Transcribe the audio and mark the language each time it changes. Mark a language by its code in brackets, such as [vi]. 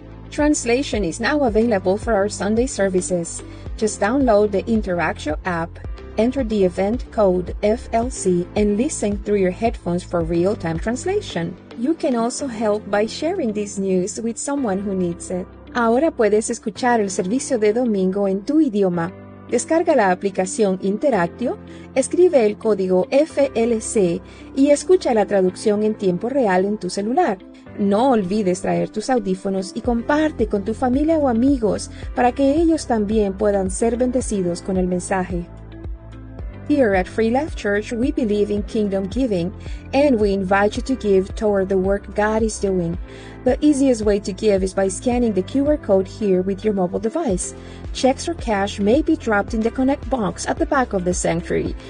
[en] Translation is now available for our Sunday services. Just download the Interactio app, enter the event code FLC, and listen through your headphones for real-time translation. You can also help by sharing this news with someone who needs it. [es] Ahora puedes escuchar el servicio de domingo en tu idioma. Descarga la aplicación Interactio, escribe el código FLC y escucha la traducción en tiempo real en tu celular. No olvides traer tus audífonos y comparte con tu familia o amigos para que ellos también puedan ser bendecidos con el mensaje. [en] Here at Free Life Church, we believe in kingdom giving, and we invite you to give toward the work God is doing. The easiest way to give is by scanning the QR code here with your mobile device. Checks or cash may be dropped in the Connect box at the back of the sanctuary.